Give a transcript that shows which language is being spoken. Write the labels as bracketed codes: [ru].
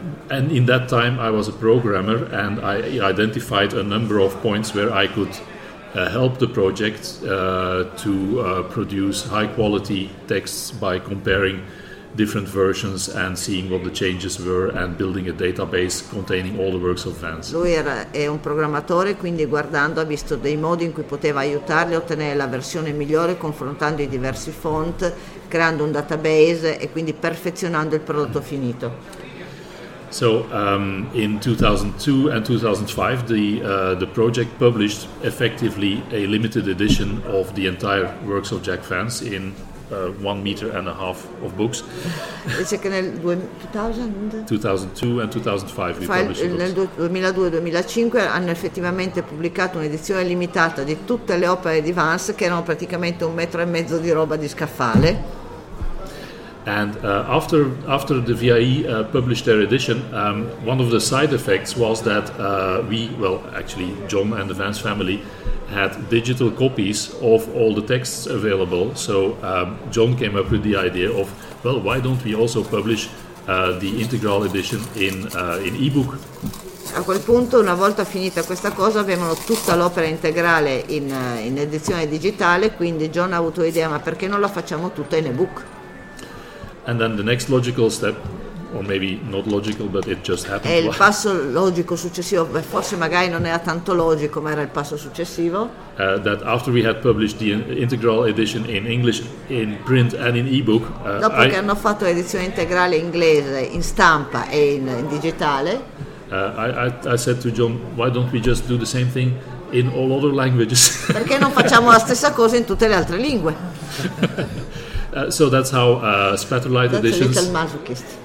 [en] And in that time I was a programmer, and I identified a number of points where I could help the project to produce high quality texts by comparing different versions and seeing what the changes were and building a database containing all the works of Vance. [it] Lui è un programmatore, quindi guardando ha visto dei modi in cui poteva aiutarli a ottenere la versione migliore, confrontando i diversi font, creando un database e quindi perfezionando il prodotto finito. [en] So in 2002 and 2005 the project published effectively a limited edition of the entire works of Jack Vance in 1 meter and a half of books. [it] Dice che nel 2002-2005 hanno effettivamente pubblicato un'edizione limitata di tutte le opere di Vance, che erano praticamente un metro e mezzo di roba di scaffale. [en] And after the VIE published their edition, one of the side effects was that actually John and the Vance family had digital copies of all the texts available. So John came up with the idea of, well, why don't we also publish the integral edition in ebook? [it] A quel punto, una volta finita questa cosa, avevano tutta l'opera integrale in edizione digitale, quindi John ha avuto l'idea, ma perché non la facciamo tutta in ebook? [en] And then the next logical step, or maybe not logical, but it just happened. [it] E il passo logico successivo, forse magari non era tanto logico, ma era il passo successivo. [en] That after we had published the integral edition in English, in print and in ebook. [it] Dopo che hanno fatto l'edizione integrale inglese in stampa e in digitale. [en] I said to John, why don't we just do the same thing in all other languages? [it] Perché non facciamo la stessa cosa in tutte le altre lingue? [en] So that's how Spatterlight editions. That's a little masochist.